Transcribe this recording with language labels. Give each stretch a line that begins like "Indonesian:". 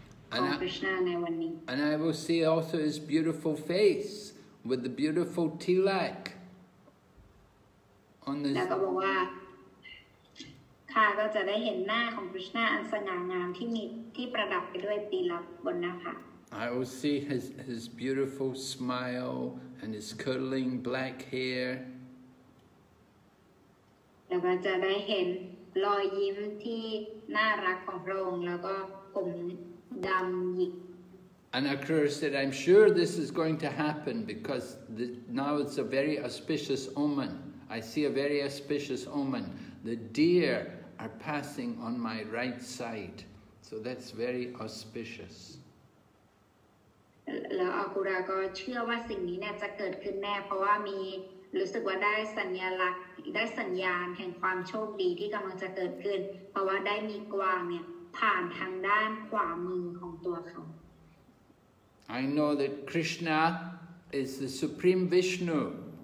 English: And I will see also his beautiful face with the beautiful tilak on the I will see his beautiful smile and his curling black hair.
Thai: แล้วก็จะได้เห็นรอยยิ้มที่น่ารักของพระองค์แล้วก็ผมดำหยิก
English: And Akrura said, I'm sure this is going to happen because now it's a very auspicious omen. I see a very auspicious omen. The deer are passing on my right side. So that's very auspicious. I know that Krishna is the Supreme Vishnu.